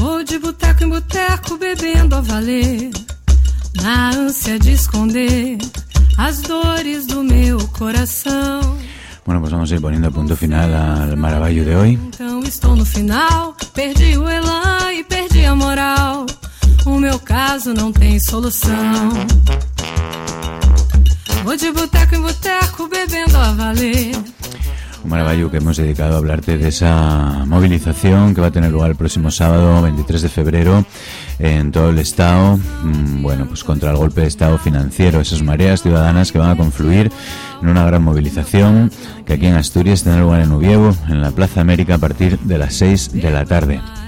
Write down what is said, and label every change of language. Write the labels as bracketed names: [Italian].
[Portuguese] de boteco em boteco, bebendo a valer, na ânsia de esconder as dores do meu coração. [Spanish] Bueno, pues vamos a ir poniendo punto final al maravillo de hoy. [Portuguese] Então estou no final, perdi o elan e perdi a moral. O meu caso não tem solução. Vou de boteco em boteco, bebendo a valer. [Spanish] Un maravillo que hemos dedicado a hablarte de esa movilización que va a tener lugar el próximo sábado 23 de febrero en todo el estado, bueno, pues contra el golpe de estado financiero, esas mareas ciudadanas que van a confluir en una gran movilización que aquí en Asturias tendrá lugar en Oviedo, en la Plaza América, a partir de las 6 de la tarde.